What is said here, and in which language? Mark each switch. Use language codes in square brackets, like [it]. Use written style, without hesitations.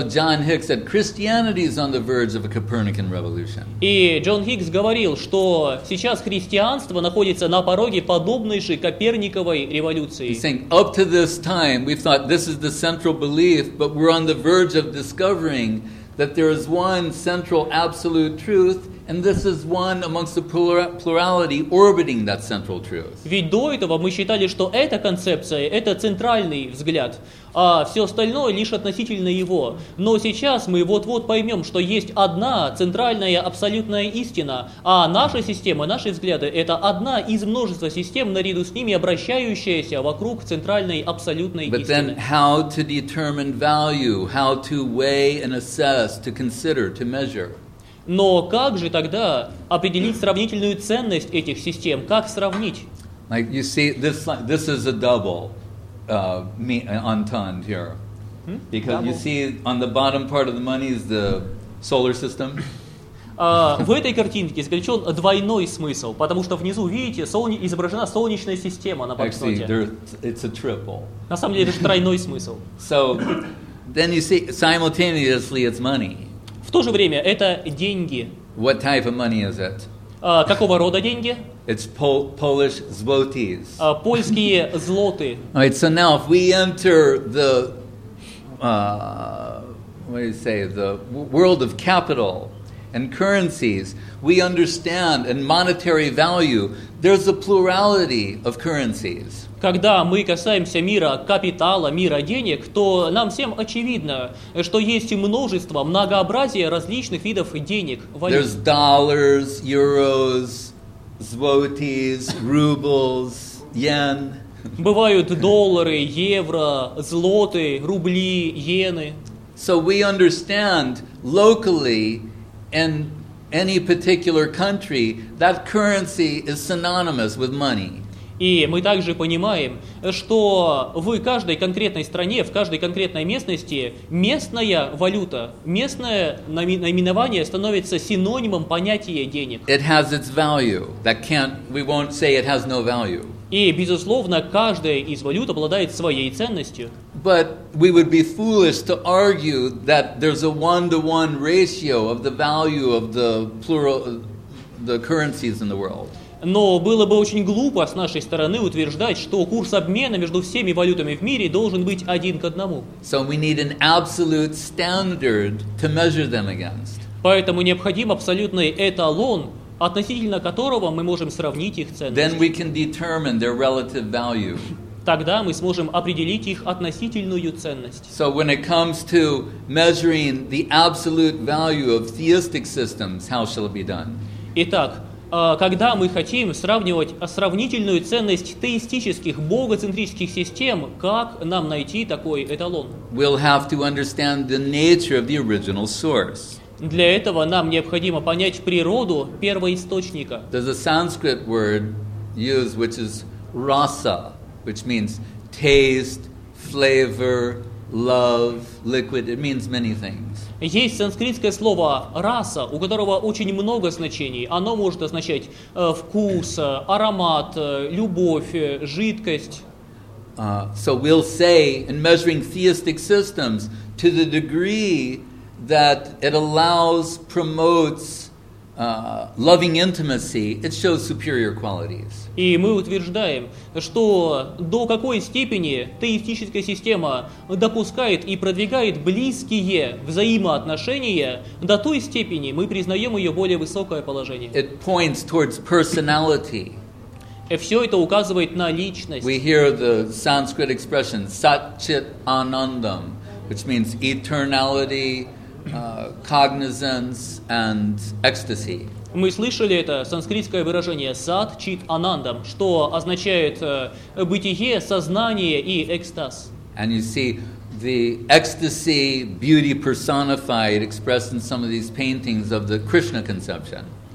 [en] So John Hicks said Christianity is on the verge of a Copernican revolution. [ru] И Джон Хиггс говорил, что сейчас христианство находится на пороге подобной же Коперниковой революции. [en] He's saying, up to this time, we thought this is the central belief, but we're on the verge of discovering that there is one central absolute truth, and this is one amongst the plurality orbiting that central truth. [ru] Ведь до этого мы считали, что эта концепция — это центральный взгляд, а все остальное лишь относительно его. Но сейчас мы вот-вот поймем, что есть одна центральная абсолютная истина, а наша система, наши взгляды — это одна из множества систем, наряду с ними обращающаяся вокруг центральной абсолютной истины. [en] But then how to determine value, how to weigh and assess, to consider, to measure? [ru] Но как же тогда определить сравнительную ценность этих систем? Как сравнить? [en] Like you see, this is a double entente here. Because double. You see on the bottom part of the money is the solar system. [ru] В этой картинке заключен двойной смысл, потому что внизу, видите, изображена солнечная система на банкноте. [en] Actually, it's a triple. [ru] На самом деле, это же тройной смысл. [en] So, then you see, simultaneously, it's money. [ru] В то же время это деньги. [en] What type of money is it? [ru] Какого рода деньги? [en] It's Polish złotys. [ru] Польские злоты. [en] All right, so now if we enter the the world of capital and currencies, we understand and monetary value, there's a plurality of currencies. [ru] Когда мы касаемся мира капитала, мира денег, то нам всем очевидно, что есть множество, многообразие различных видов денег. [en] There's dollars, euros, zlotys, rubles, yen. [ru] Бывают доллары, евро, злоты, рубли, иены. [en] So we understand locally in any particular country that currency is synonymous with money. [ru] И мы также понимаем, что в каждой конкретной стране, в каждой конкретной местности местная валюта, местное наименование становится синонимом понятия денег. [en] It has its value. That can't, we won't say it has no value. [ru] И, безусловно, каждая из валют обладает своей ценностью. [en] But we would be foolish to argue that there's a one-to-one ratio of the value of the plural, the currencies in the world. [ru] Но было бы очень глупо с нашей стороны утверждать, что курс обмена между всеми валютами в мире должен быть один к одному. [en] So we need an absolute standard to measure them against. [ru] Поэтому необходим абсолютный эталон, относительно которого мы можем сравнить их ценность. [en] Then we can determine their relative value. [ru] Тогда мы сможем определить их относительную ценность. [en] So when it comes to measuring the absolute value of theistic systems, how shall it be done? [ru] Итак, когда мы хотим сравнивать сравнительную ценность теистических, богоцентрических систем, как нам найти такой эталон? [en] We'll have to understand the nature of the original source. [ru] Для этого нам необходимо понять природу первоисточника. [en] There's a Sanskrit word used, which is rasa, which means taste, flavor, love, liquid. It means many things. [ru] Есть санскритское слово «раса», у которого очень много значений. Оно может означать вкус, аромат, любовь, жидкость. [en] So we'll say, in measuring theistic systems, to the degree that it allows, promotes loving intimacy, it shows superior qualities. [ru] И мы утверждаем, что до какой степени теистическая система допускает и продвигает близкие взаимоотношения, до той степени мы признаем ее более высокое положение. [en] It points towards personality. [ru] И все это указывает на личность. [en] We hear the Sanskrit expression sat-chit-anandam, which means eternality, cognizance and ecstasy. [ru] Мы слышали это санскритское выражение «сад чит анандам», что означает бытие, сознание и экстаз. [en] And you see the ecstasy, beauty personified, expressed in some of these paintings of the Krishna conception.